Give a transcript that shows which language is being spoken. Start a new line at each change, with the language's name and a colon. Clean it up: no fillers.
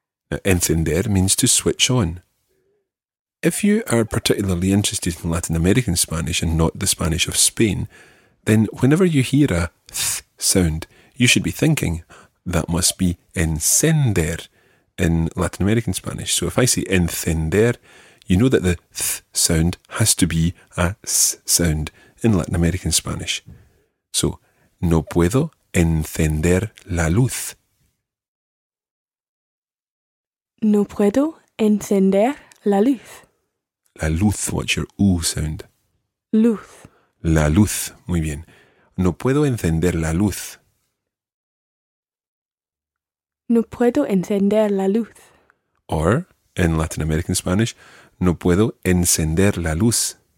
English: Now, encender means to switch on. If you are particularly interested in Latin American Spanish and not the Spanish of Spain, then whenever you hear a th sound, you should be thinking that must be encender in Latin American Spanish. So if I say encender, you know that the th sound has to be a s sound in Latin American Spanish.
Spanish: So, no puedo encender la luz. No puedo encender la luz. La luz,
English: watch your U sound.
Spanish: Luz. La luz, muy bien. No puedo encender la luz. No puedo encender la luz.
English: Or, in Latin American Spanish,
Spanish: no puedo encender la luz.